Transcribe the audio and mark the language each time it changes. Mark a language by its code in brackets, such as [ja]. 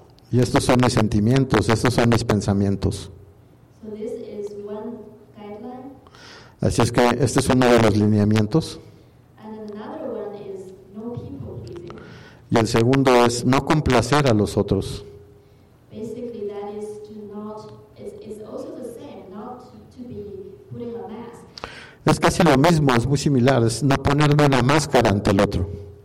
[es] Y estos son mis sentimientos, estos son mis pensamientos. [en] So this is one guideline. [es] Así es que este es uno de los lineamientos. [en] And another one is no people pleasing. [es] Y el segundo es no complacer a los otros. [en] Basically that is to not, it's also the same, not to be putting a mask. [es] Es casi lo mismo, es muy similar, es no ponerme una máscara ante el otro.